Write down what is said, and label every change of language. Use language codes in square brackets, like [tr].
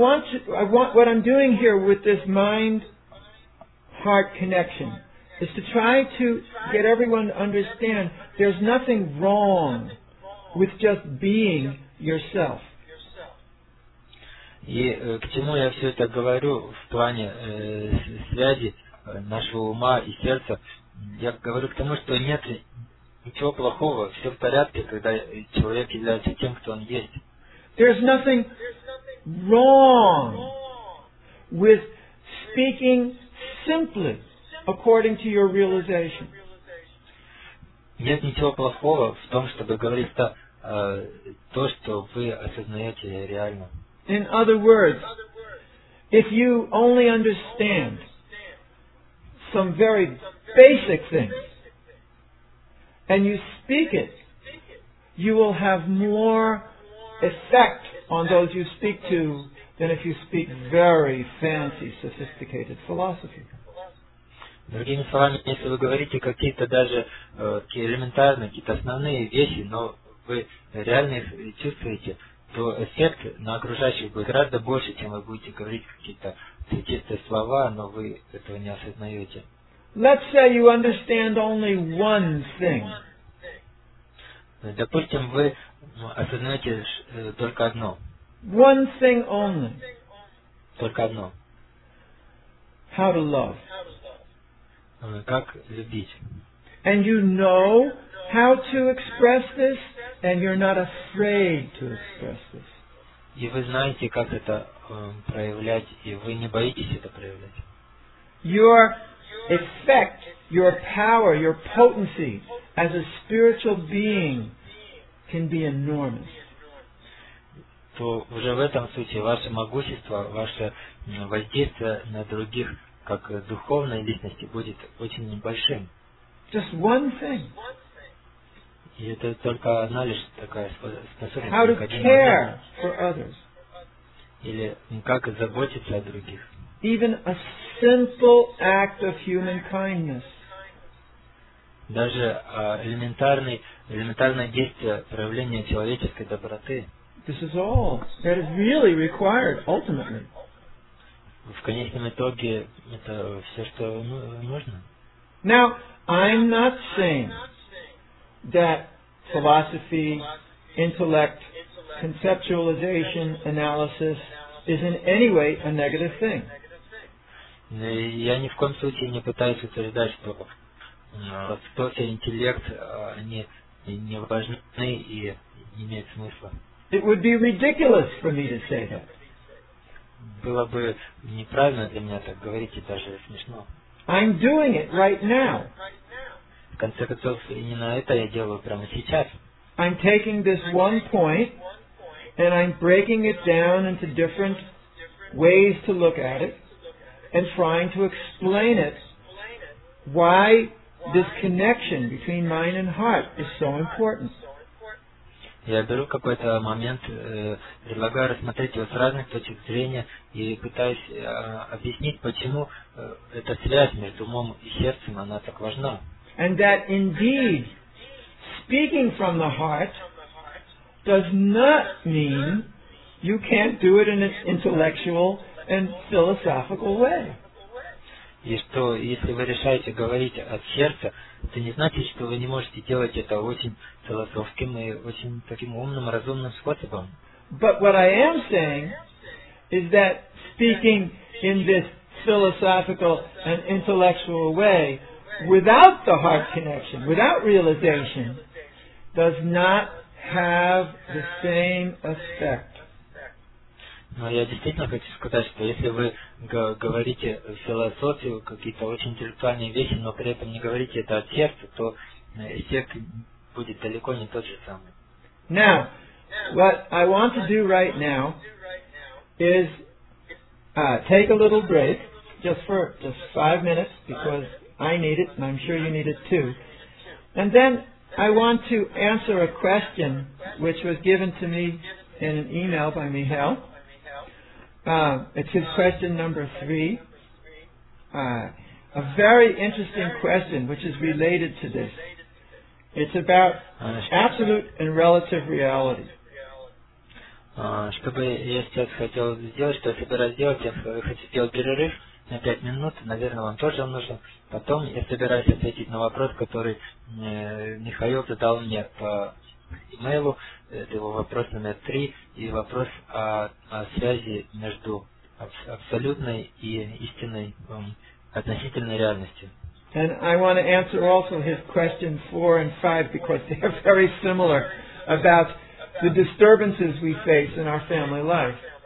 [en] What I'm doing here with this mind-heart connection is to try to get everyone to understand there's nothing wrong with just being yourself. [ru] И к чему я все это говорю в плане связи нашего ума и сердца? Я говорю к тому, что нет ничего плохого, все в порядке, когда человек является тем, кто он есть. [en] There's nothing wrong with speaking simply according to your realization. [ru] Нет ничего плохого в том, чтобы говорить то, что вы осознаете реально. [en] In other words, if you only understand some very basic things and you speak it, you will have more effect on those you speak to than if you speak very fancy, sophisticated philosophy. [ru] Другими словами, если вы говорите какие-то даже такие элементарные, какие-то основные вещи, но вы реально их чувствуете, то эффект на окружающих будет гораздо больше, чем вы будете говорить какие-то чистые слова, но вы этого не осознаете. [en] Let's say you understand only one thing. [ru] Допустим, вы осознаете только одно. [en] One thing only. [ru] Только одно. [en] How to love. [ru] Как любить. [en] And you know how to express this, and you're not afraid to express this. [ru] И вы знаете, как это проявлять, и вы не боитесь это проявлять. [en] Your effect, your power, your potency as a spiritual being can be enormous. [ru] То уже в этом случае ваше могущество, ваше воздействие на других как духовной личности будет очень небольшим. [en] Just one thing. [ru] И это только одна лишь такая способность. [en] How to care for others. [ru] Или как заботиться о других. [en] Even a simple act of human kindness. [ru] Даже элементарное действие проявления человеческой доброты. [en] This is all that is really required ultimately. [ru] В конечном итоге это все, что нужно. [en] Now, I'm not saying that philosophy, intellect, conceptualization, analysis is in any way a negative thing. [ru] Я ни в коем случае не пытаюсь утверждать, что философия, интеллект, они не важны и не имеют смысла. [en] It would be ridiculous for me to say that. [ru] Было бы неправильно для меня так говорить, и даже смешно. [en] I'm doing it right now. [ru] В конце концов, именно это я делаю прямо сейчас. [en] I'm taking this one point, and I'm breaking it down into different ways to look at it, and trying to explain it, why this connection between mind and heart is so important. [ru] Я беру какой-то момент, предлагаю рассмотреть его с разных точек зрения и пытаюсь объяснить, почему эта связь между умом и сердцем, она так важна. [en] And that indeed, speaking from the heart does not mean you can't do it in an intellectual and philosophical way. [ru] И что, если вы решаете говорить от сердца, это не значит, что вы не можете делать это очень философским и очень таким умным, разумным способом. [en] But what I am saying is that speaking in this philosophical and intellectual way without the heart connection, without realization, does not have the same effect. [ru] Но я действительно хочу сказать, что если вы говорите философию, какие-то очень интеллектуальные вещи, но при этом не говорите это от сердца, то эффект будет далеко не тот же самый. [en] Now, what I want to do right now is take a little break, just 5 minutes, because I need it, and I'm sure you need it too. And then I want to answer a question which was given to me in an email by Michal. It's his question number 3. A very interesting question which is related to this. It's about absolute and relative reality. [ru] Что бы я сейчас хотел сделать, что я собираюсь сделать, я хочу сделать перерыв на 5 минут, наверное, вам тоже нужно. Потом я собираюсь ответить на вопрос, который Михаил задал мне по имейлу. Это его вопрос номер 3 и вопрос о связи между абсолютной и истинной относительной реальностью. [en] And I want to answer also his question 4 and 5 because they are very similar about the disturbances we face in our family life.